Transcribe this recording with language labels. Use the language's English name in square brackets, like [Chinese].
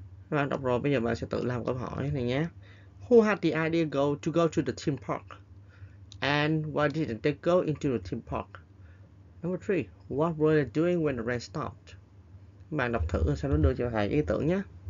[Vietnamese] Bạn đọc rồi, bây giờ bạn sẽ tự làm câu hỏi này nhé. [English] Who had the idea to go to the theme park? And why didn't they go into the theme park? Number 3. What were they doing when the rain stopped? [Vietnamese] Bạn đọc thử, sau đó đưa cho thầy ý tưởng nhé.